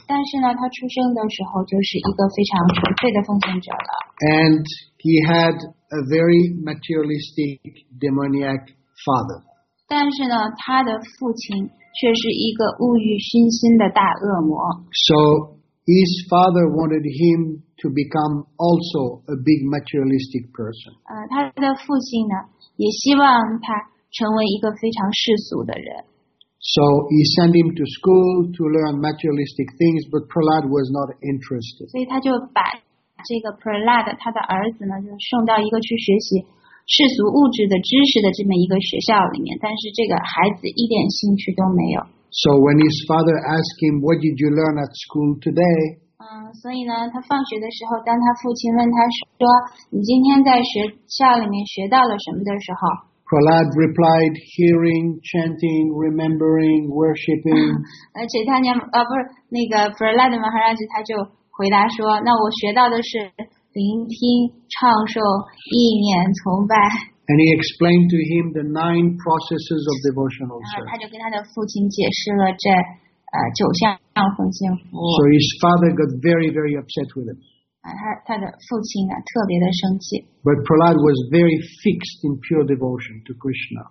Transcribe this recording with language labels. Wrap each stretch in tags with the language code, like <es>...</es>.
<zh>但是呢，他出生的时候就是一个非常纯粹的奉献者了。</zh> <en>And he had a very materialistic, demoniac father.</en> <zh>但是呢，他的父亲却是一个物欲熏心的大恶魔。</zh> <en>So his father wanted him to become also a big materialistic person.</en> <zh>他的父亲呢，也希望他成为一个非常世俗的人。</zh> <en>So he sent him to school to learn materialistic things, but Prahlad was not interested.</en> <zh>所以他就把这个 Prahlad 他的儿子呢，就送到一个去学习世俗物质的知识的这么一个学校里面，但是这个孩子一点兴趣都没有。</zh> <en>So when his father asked him, what did you learn at school today?</en> <zh>所以呢，他放学的时候，当他父亲问他说，你今天在学校里面学到了什么的时候？</zh> <en>Prahlad replied, hearing, chanting, remembering, worshipping.</en> <zh>Prahlad Maharaji 他就回答说，那我学到的是聆听、唱诵、意念、崇拜。</zh> <en>And he explained to him the 9 processes of devotional service.</en> <zh>他就跟他的父亲解释了这九项奉献服务。</zh> <en>So his father got very, very upset with him.</en> <zh>他的父亲呢，特别的生气。</zh> <en>But Prahlad was very fixed in pure devotion to Krishna.</en>